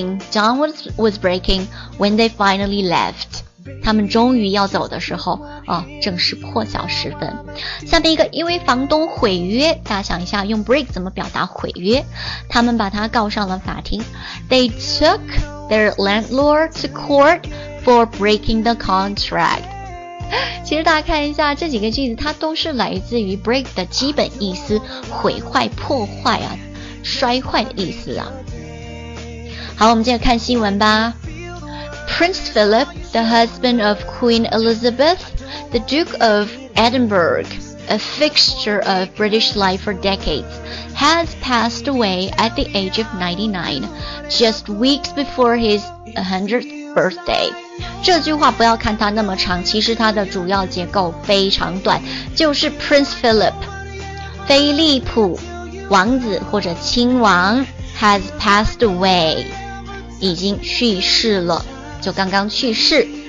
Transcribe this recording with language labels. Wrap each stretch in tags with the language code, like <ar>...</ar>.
<en>Dawn was breaking when they finally left.</en> <zh>他们终于要走的时候、哦、正是破晓时分。下面一个，因为房东毁约，大家想一下用 break 怎么表达毁约。他们把他告上了法庭。</zh> <en>They took their landlord to court for breaking the contract.</en> <zh>其实大家看一下这几个句子，它都是来自于 break 的基本意思，毁坏、破坏啊，摔坏的意思啊。好，我们接着看新闻吧。</zh> <en>Prince Philip, the husband of Queen Elizabeth, the Duke of Edinburgh, a fixture of British life for decades, has passed away at the age of 99, just weeks before his 100th birthday.</en> <zh>这句话不要看它那么长，其实它的主要结构非常短，就是 Prince Philip 菲利普王子或者亲王</zh> <en>has passed away</en> <zh>已经去世了，就刚刚去世。</zh>